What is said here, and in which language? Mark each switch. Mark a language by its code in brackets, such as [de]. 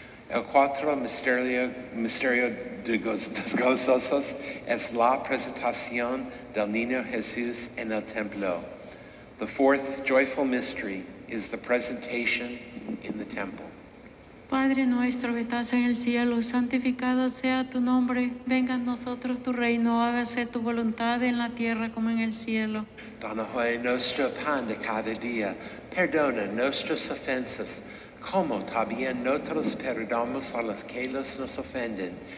[es] El cuatro misterio de gozosos es la presentación del niño Jesús en el templo. [en] The fourth joyful mystery is the presentation in the temple. [es] Padre nuestro que estás en el cielo, santificado sea tu nombre, venga a nosotros tu reino, hágase tu voluntad en la tierra como en el cielo. Dona hoy nuestro pan de cada día, perdona nuestras ofensas, como también nosotros perdonamos a los que nos ofenden.